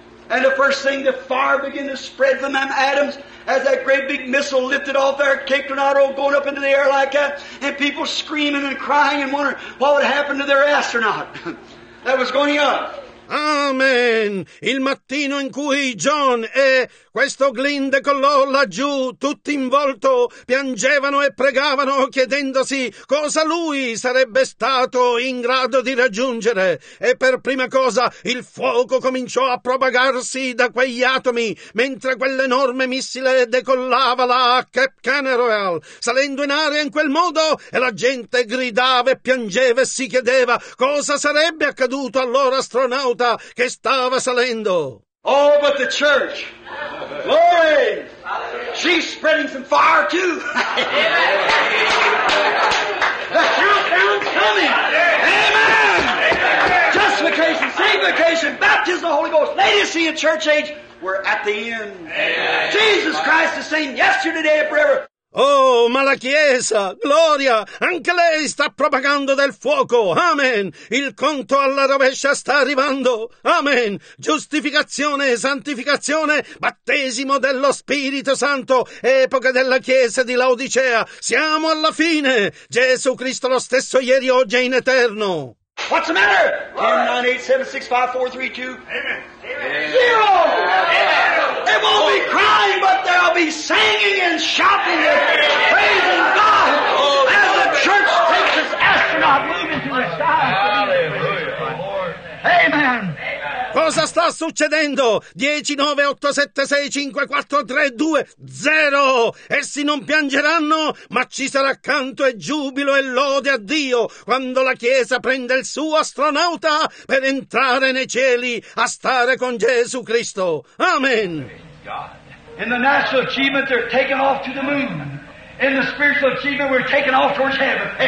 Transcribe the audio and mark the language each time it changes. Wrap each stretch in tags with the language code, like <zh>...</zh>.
<en>And the first thing, the fire began to spread from them atoms as that great big missile lifted off there, Cape Canaveral, going up into the air like that, and people screaming and crying and wondering what would happen to their astronaut that was going up. Amen.</en> <it>Il mattino in cui John e questo Glenn decollò laggiù, tutti in volto, piangevano e pregavano chiedendosi cosa lui sarebbe stato in grado di raggiungere. E per prima cosa il fuoco cominciò a propagarsi da quegli atomi, mentre quell'enorme missile decollava là a Cape Canaveral, salendo in aria in quel modo, e la gente gridava e piangeva e si chiedeva cosa sarebbe accaduto al loro astronauta che stava salendo.</it> <en>Oh, but the church, glory, she's spreading some fire too. The countdown's coming. Amen. Justification, sanctification, baptism of the Holy Ghost, Lady of Sin, church age, we're at the end. Jesus Christ the same yesterday, today, and forever.</en> <it>Oh, ma la Chiesa, gloria, anche lei sta propagando del fuoco. Amen. Il conto alla rovescia sta arrivando. Amen. Giustificazione, santificazione, battesimo dello Spirito Santo, epoca della Chiesa di Laodicea. Siamo alla fine. Gesù Cristo lo stesso ieri, oggi e in eterno.</it> <en>What's the matter? 10-9-8-7-6-5-4-3-2. Amen. Zero. Amen. They won't be crying, but they'll be singing and shouting and praising God as the church takes its astronaut move into the sky. Hallelujah. Amen.</en> <it>Cosa sta succedendo? 10, 9, 8, 7, 6, 5, 4, 3, 2, 0. Essi non piangeranno, ma ci sarà canto e giubilo e lode a Dio quando la Chiesa prende il suo astronauta per entrare nei cieli a stare con Gesù Cristo. Amen.</it> <en>In the national achievement, they're taken off to the moon. In the spiritual achievement, we're taken off towards heaven.</en>